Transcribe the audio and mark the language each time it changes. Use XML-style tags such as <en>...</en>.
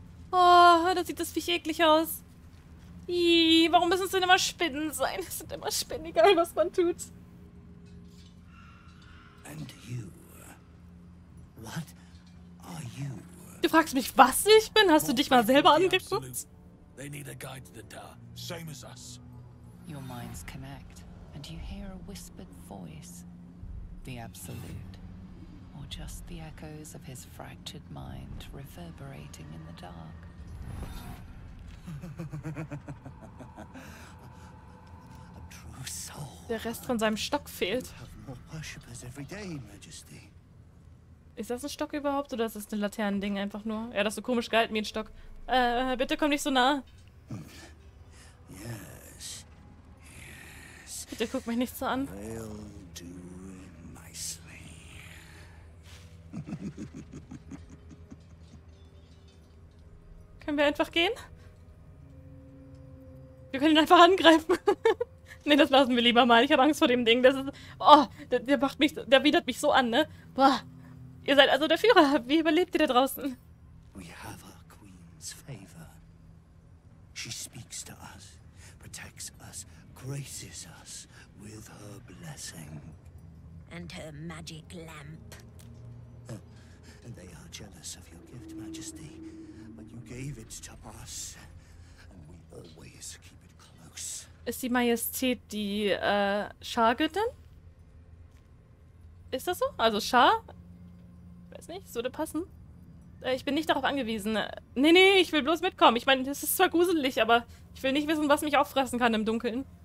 <de>Oh, da sieht das Viech eklig aus. Warum müssen es denn immer Spinnen sein? Es sind immer Spinnen, egal was man tut.</de> <en>And you. What are you?</en> <de>Du fragst mich, was ich bin? Hast du dich mal selber angeguckt?</de> <en>They need a guide to the tower, same as us. Your minds connect, and you hear a whispered voice. The absolute. Or just the echoes of his fractured mind reverberating in the dark. A true soul.</en> <de>Der Rest von seinem Stock fehlt.</de> <en>You have more worshippers every day, Majesty.</en> <de>Ist das ein Stock überhaupt oder ist das ein Laternending einfach nur? Ja, das ist so komisch gehalten wie ein Stock. Bitte komm nicht so nah.</de> <en>Yes. Yes.</en> <de>Bitte guck mich nicht so an.</de> <en>I'll do it nicely.</en> <de>Können wir einfach gehen? Wir können ihn einfach angreifen. Nee, das lassen wir lieber mal. Ich habe Angst vor dem Ding. Das ist. Oh, der macht mich. Der widert mich so an, ne? Boah. Ihr seid also der Führer. Wie überlebt ihr da draußen?</de> <en>We have our queen's favor. She speaks to us, protects us, graces us with her blessing. And her magic lamp. And they are jealous of your gift, Majesty. But you gave it to us. And we always keep it close.</en> <de>Ist die Majestät die Schargöttin? Ist das so? Also Schar? Weiß nicht, würde passen. Ich bin nicht darauf angewiesen. Nee, ich will bloß mitkommen. Ich meine, das ist zwar gruselig, aber ich will nicht wissen, was mich auffressen kann im Dunkeln.</de>